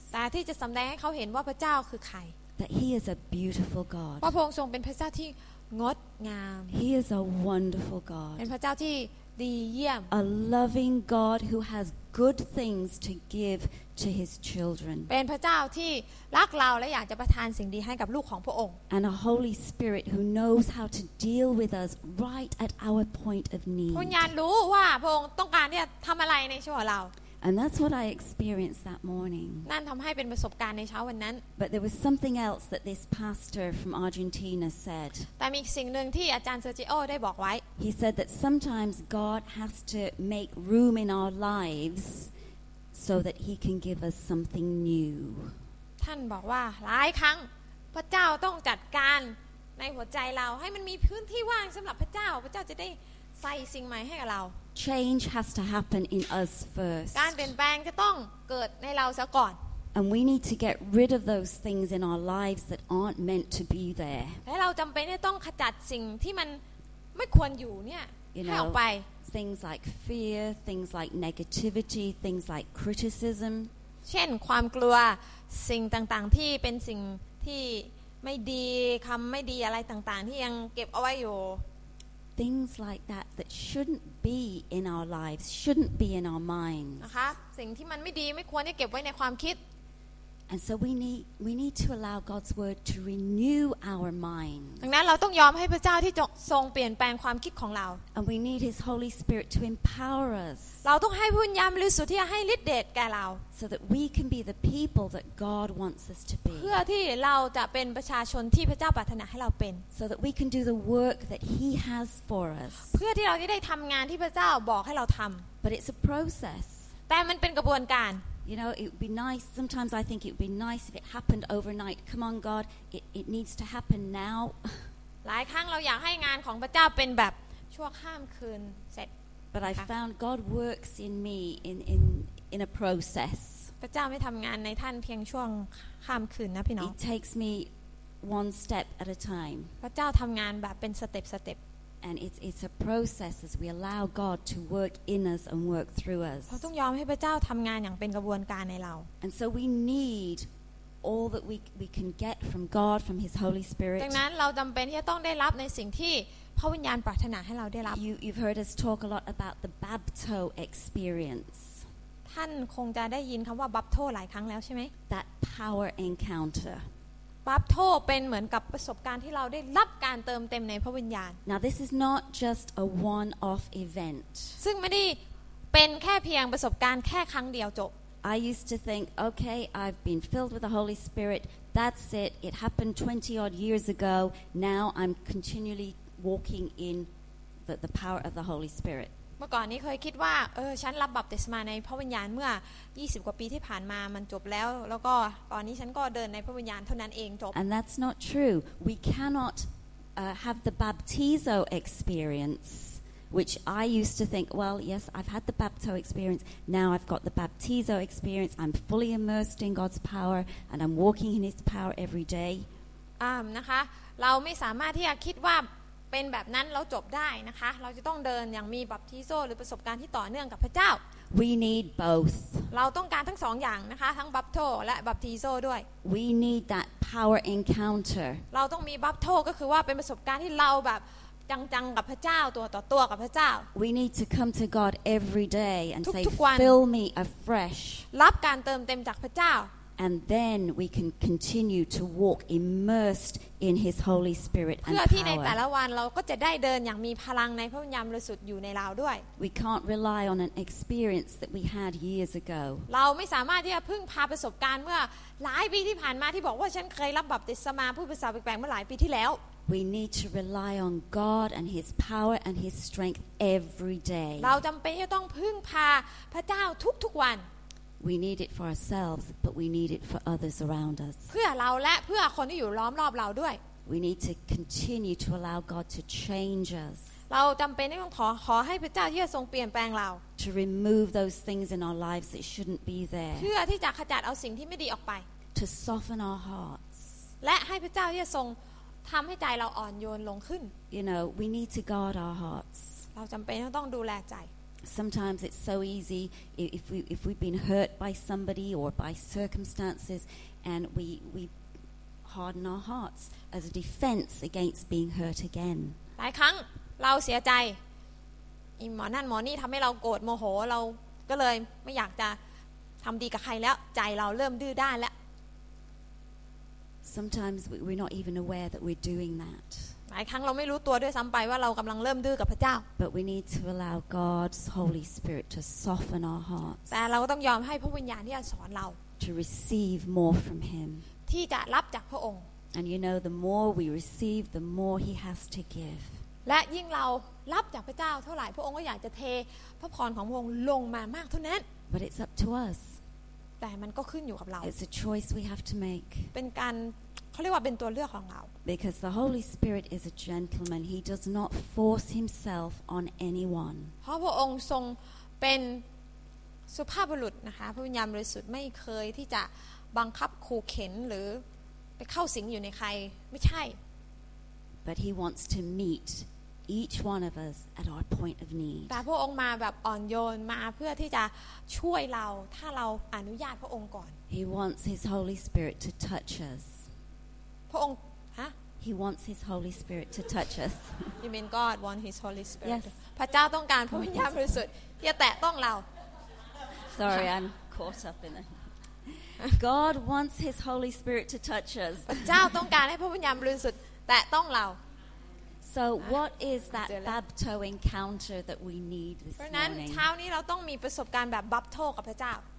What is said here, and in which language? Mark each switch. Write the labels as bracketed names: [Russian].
[Thai] แต่ที่จะสำแดงให้เขาเห็นว่าพระเจ้าคือใคร [English] that he is a beautiful god [Thai] พระองค์ทรงเป็นพระเจ้าที่งดงาม [English] he is a wonderful god [Thai] เป็นพระเจ้าที่ดีเยี่ยม [English] a loving god who has good things to give to his children [Thai] เป็นพระเจ้าที่รักเราและอยากจะประทานสิ่งดีให้กับลูกของพระองค์ [English] And a Holy Spirit who knows how to deal with us right at our point of need [Thai] พระวิญญาณรู้ว่าพระองค์ต้องการที่จะทำอะไรในชีวิตเรา [English] And that's what I experienced that morning [Thai] นั่นทำให้เป็นประสบการณ์ในเช้าวันนั้น [English] But there was something else that this pastor from Argentina said [Thai] แต่มีสิ่งนึงที่อาจารย์เซอร์จิโอได้บอกไว้ [English] He said that sometimes God has to make room in our lives so that he can give us something new [Thai] ท่านบอกว่าหลายครั้งพระเจ้าต้องจัดการในหัวใจเราให้มันมีพื้นที่ว่างสำหรับพระเจ้าพระเจ้าจะได้ใส่สิ่งใหม่ให้กับเรา [English] Change has to happen in us first [Thai] การเปลี่ยนแปลงจะต้องเกิดในเราซะก่อน [English] And we need to get rid of those things in our lives that aren't meant to be there [Thai] และเราจำเป็นที่ต้องขจัดสิ่งที่มันไม่ควรอยู่เนี่ยให้ออกไป [English] Things like fear things like negativity things like criticism [Thai] เช่นความกลัวสิ่งต่างๆที่เป็นสิ่งที่ไม่ดีคำไม่ดีอะไรต่างๆที่ยังเก็บเอาไว้อยู่ [English] Things like that that shouldn't be in our lives shouldn't be in our minds [Thai] นะคะสิ่งที่มันไม่ดีไม่ควรที่เก็บไว้ในความคิด [English] And so we need to allow God's word to renew our minds [Thai] ดังนั้นเราต้องยอมให้พระเจ้าที่ทรงเปลี่ยนแปลงความคิดของเรา [English] And we need his Holy Spirit to empower us [Thai] เราต้องให้พระวิญญาณบริสุทธิ์ที่ให้ฤทธิ์เดชแก่เรา [English] so that we can be the people that God wants us to be [Thai] เพื่อที่เราจะเป็นประชาชนที่พระเจ้าปรารถนาให้เราเป็น [English] so that we can do the work that he has for us [Thai] เพื่อที่เราจะได้ทำงานที่พระเจ้าบอกให้เราทำ [English] but it's a process [Thai] แต่มันเป็นกระบวนการ [English] You know, it would be nice. Sometimes I think it would be nice if it happened overnight. Come on, God, it needs to happen now. [Thai] หลายครั้งเราอยากให้งานของพระเจ้าเป็นแบบชั่วข้ามคืนเสร็จ [English] But I found God works in me in a process. [Thai] พระเจ้าไม่ทำงานในท่านเพียงช่วงข้ามคืนนะพี่น้อง [English] It takes me one step at a time. [Thai] พระเจ้าทำงานแบบเป็นสเต็ปสเต็ป [English] And it's a process as we allow God to work in us and work through us. [Thai] เราต้องยอมให้พระเจ้าทำงานอย่างเป็นกระบวนการในเรา [English] And so we need all that we can get from God, from His Holy Spirit. [Thai] ดังนั้นเราจำเป็นที่จะต้องได้รับในสิ่งที่พระวิญญาณปรารถนาให้เราได้รับ [English] You've heard us talk a lot about the Bapto experience. [Thai] ท่านคงจะได้ยินคำว่าบัพโทหลายครั้งแล้วใช่ไหม [English] That power encounter. [Thai] บัพโทเป็นเหมือนกับประสบการณ์ที่เราได้รับการเติมเต็มในพระวิญญาณ [English] Now this is not just a one-off event [Thai] ซึ่งไม่ได้เป็นแค่เพียงประสบการณ์แค่ครั้งเดียวจบ [English] I used to think okay I've been filled with the Holy Spirit that's it it happened 20 odd years ago now I'm continually walking in the power of the Holy Spirit [Thai] เมื่อก่อนนี้เคยคิดว่าฉันรับบัพติศมาในพระวิญญาณเมื่อ20กว่าปีที่ผ่านมามันจบแล้วแล้วก็ตอนนี้ฉันก็เดินในพระวิญญาณเท่านั้นเองจบ [English] And that's not true we cannot have the baptizo experience which I used to think well yes I've had the bapto experience now I've got the baptizo experience I'm fully immersed in God's power and I'm walking in his power every day [Thai] นะคะเราไม่สามารถที่จะคิดว่าเป็นแบบนั้นเราจบได้นะคะเราจะต้องเดินอย่างมีบัพติโซหรือประสบการณ์ที่ต่อเนื่องกับพระเจ้า [English] We need both [Thai] เราต้องการทั้งสองอย่างนะคะทั้งบัพโทและบัพติโซด้วย [English] We need that power encounter [Thai] เราต้องมีบัพโทก็คือว่าเป็นประสบการณ์ที่เราแบบจังๆกับพระเจ้าตัวต่อตัวกับพระเจ้า [English] We need to come to God every day and say fill me afresh [Thai] รับการเติมเต็มจากพระเจ้า [English] And then we can continue to walk immersed in His Holy Spirit and power. [Thai] เพื่อที่ในแต่ละวันเราก็จะได้เดินอย่างมีพลังในพระวิญญาณบริสุทธิ์อยู่ในเราด้วย [English] We can't rely on an experience that we had years ago. [Thai] เราไม่สามารถที่จะพึ่งพาประสบการณ์เมื่อหลายปีที่ผ่านมาที่บอกว่าฉันเคยรับบัพติศมาพูดภาษาแปลกๆเมื่อหลายปีที่แล้ว [English] We need to rely on God and His power and His strength every day. [Thai] เราจำเป็นที่ต้องพึ่งพาพระเจ้าทุกๆวัน [English] We need it for ourselves, but we need it for others around us. [Thai] เพื่อเราและเพื่อคนที่อยู่ล้อมรอบเราด้วย [English] We need to continue to allow God to change us. [Thai] เราจำเป็นต้องขอให้พระเจ้าที่จะทรงเปลี่ยนแปลงเรา [English] To remove those things in our lives that shouldn't be there. [Thai] เพื่อที่จะขจัดเอาสิ่งที่ไม่ดีออกไป [English] To soften our hearts. [Thai] และให้พระเจ้าที่จะทรงทำให้ใจเราอ่อนโยนลงขึ้น [English] You know, we need to guard our hearts. [Thai] เราจำเป็นต้องดูแลใจ [English] Sometimes it's so easy if we've been hurt by somebody or by circumstances and we harden our hearts as a defense against being hurt again. [Thai] หลายครั้งเราเสียใจหมอนั่นหมอนี่ทำให้เราโกรธโมโหเราก็เลยไม่อยากจะทำดีกับใครแล้วใจเราเริ่มดื้อด้านแล้ว [English] Sometimes we're not even aware that we're doing that. [Thai] หลายครั้งเราไม่รู้ตัวด้วยซ้ำไปว่าเรากำลังเริ่มดื้อกับพระเจ้า [English] But we need to allow God's Holy Spirit to soften our hearts [Thai] แต่เราก็ต้องยอมให้พระวิญญาณที่จะสอนเรา [English] To receive more from Him [Thai] ที่จะรับจากพระองค์ [English] And you know the more we receive the more He has to give [Thai] และยิ่งเรารับจากพระเจ้าเท่าไหร่พระองค์ก็อยากจะเทพระพรของพระองค์ลงมามากเท่านั้น [English] But it's up to us [Thai] แต่มันก็ขึ้นอยู่กับเรา [English] It's a choice we have to make [Thai] เป็นการเขาเรียกว่าเป็นตัวเลือกของเรา [English] Because the Holy Spirit is a gentleman, He does not force Himself on anyone. [Thai] เพราะพระองค์ทรงเป็นสุภาพบุรุษนะคะพระวิญญาณบริสุทธิ์ไม่เคยที่จะบังคับขู่เข็นหรือไปเข้าสิงอยู่ในใครไม่ใช่ [English] But He wants to meet each one of us at our point of need. [Thai] แต่พระองค์มาแบบอ่อนโยนมาเพื่อที่จะช่วยเราถ้าเราอนุญาตพระองค์ก่อน [English] He wants His Holy Spirit to touch us. [Thai] พระองค์ [English] He wants His Holy Spirit to touch us. You mean God wants His Holy Spirit? Yes. [Thai] พระเจ้าต้องการพระวิญญาณบริสุทธิ์ที่จะแตะต้องเรา [English] Sorry, I'm caught up in it. God wants His Holy Spirit to touch us. [Thai] พระเจ้าต้องการให้พระวิญญาณบริสุทธิ์แตะต้องเรา [English] So what is that Bapto encounter that we need this morning? [Thai] เพราะนั้นเช้านี้เราต้องมีประสบการณ์แบบบัพโทกับพระเจ้า